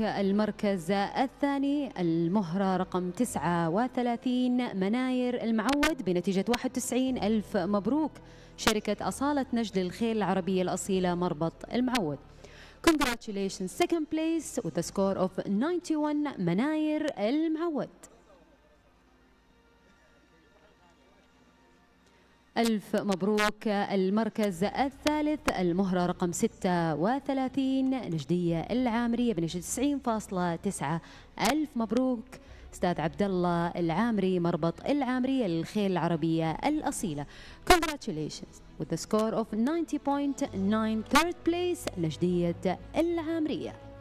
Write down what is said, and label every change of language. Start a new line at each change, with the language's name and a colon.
Arabic: المركز الثاني المهرة رقم 39 مناير المعود بنتيجة 91، ألف مبروك. شركة أصالة نجد الخيل العربية الأصيلة مربط المعود.
English: Congratulations second place with a score of 91 مناير المعود.
Arabic: ألف مبروك. المركز الثالث المهرة رقم 36 نجدية العامرية بنتيجة 90.9، ألف مبروك. أستاذ عبد الله العامري مربط العامرية للخيل العربية الأصيلة.
English: Congratulations with a score of 90.9 third place نجدية العامرية.